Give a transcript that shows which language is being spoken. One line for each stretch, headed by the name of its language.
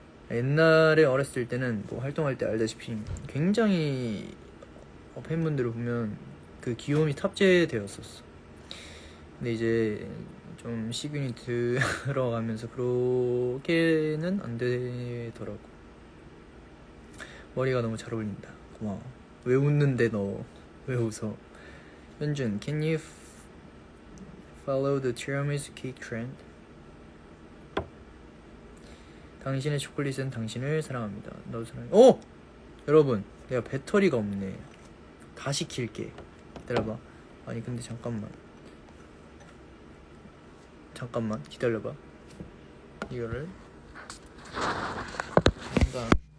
Korean: 옛날에 어렸을 때는 뭐 활동할 때 알다시피 굉장히 팬분들을 보면 그 귀여움이 탑재되었었어. 근데 이제 좀 시그니 들어가면서 그렇게는 안 되더라고. 머리가 너무 잘 어울린다. 고마워. 왜 웃는데 너? 왜 웃어?
English: 현준, can you follow the tiramisu cake trend?
Korean: 당신의 초콜릿은 당신을 사랑합니다. 너도 사랑해. 오! 여러분, 내가 배터리가 없네. 다시 킬게. 기다려봐. 아니, 근데 잠깐만. 잠깐만, 기다려봐. 이거를. 잠깐.